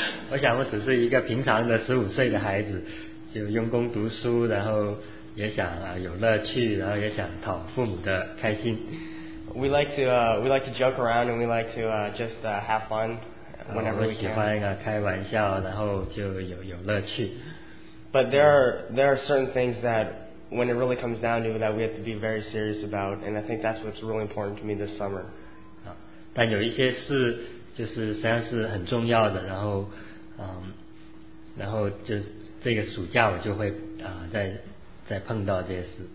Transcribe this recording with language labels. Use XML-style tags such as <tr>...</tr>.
<zh>我想我只是一个平常的15岁的孩子，就用功读书，然后也想有乐趣，然后也想讨父母的开心。</zh> <en>We like to joke around and we like to have fun whenever we can.</en> <zh>我喜欢开玩笑，然后就有乐趣。</zh> <en>But there are certain things that when it really comes down to that we have to be very serious about, and I think that's what's really important to me this summer.</en> <zh>但有一些事就是实际上是很重要的，然后就这个暑假我就会再碰到这些事。</zh>